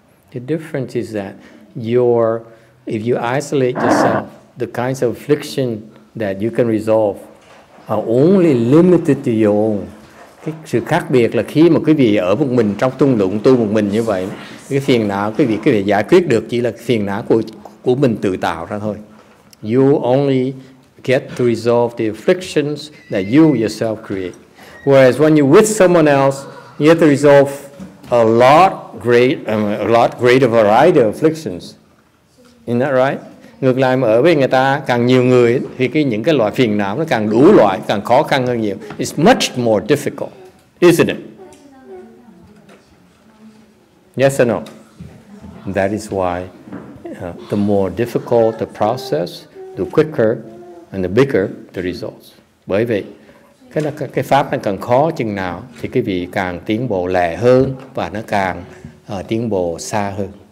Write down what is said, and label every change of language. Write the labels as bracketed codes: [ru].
[en] The difference is that if you isolate yourself, the kinds of affliction that you can resolve are only limited to your own. [vi] Cái sự khác biệt là khi mà quý vị ở một mình trong tung lụng tu một mình như vậy, cái phiền não quý vị giải quyết được chỉ là phiền não của mình tự tạo ra thôi. [en] You only get to resolve the afflictions that you yourself create. Whereas when you're with someone else, you have to resolve a lot greater variety of afflictions. Isn't that right? [vi] Ngược lại mà ở với người ta, càng nhiều người thì những cái loại phiền não nó càng đủ loại, càng khó khăn hơn nhiều. [en] It's much more difficult, isn't it? Yes or no? That is why the more difficult the process, the quicker and the bigger the results. [vi] Bởi vậy, cái pháp nó càng khó chừng nào thì cái vị càng tiến bộ lẹ hơn và nó càng tiến bộ xa hơn.